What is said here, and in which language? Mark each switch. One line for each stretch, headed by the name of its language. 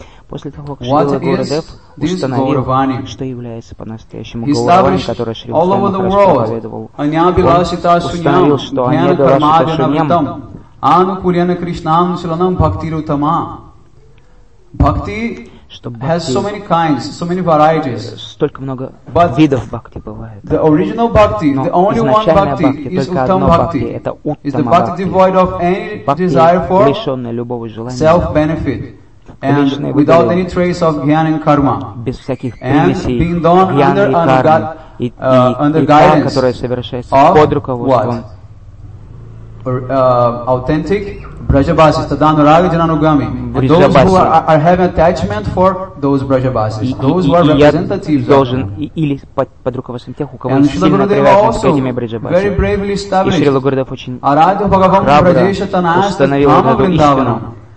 Russian: После того, как Шрила Гурудев установил, что является по-настоящему Гауравани, которое Шрила Свами Махарадж проповедовал, он установил, что Анья-Дурашита-Шуньям, Ану-Курьяна-Кришна-Ану-Силанам-Бхактиру-Тама.
English: Бхакти has so many kinds, so many varieties.
Russian: Столько много видов бхакти бывает.
English: The original bhakti, the only one bhakti, is uttam bhakti. Is the bhakti devoid of any desire for self-benefit and without any trace of jnana and karma?
Russian: Без всяких примесей jnana и karma.
English: And being done under
Russian: guidance, которая совершается под руководством
English: authentic. Brajabasi, Tadanuraga Jananugami. Those who are having attachment for those Brajabasis, those who are representatives of them.
Russian: Или под руководством тех, у кого сильно привязаны к этими Брайджабасами. И Шрила Гурудев очень храбро установил эту истину.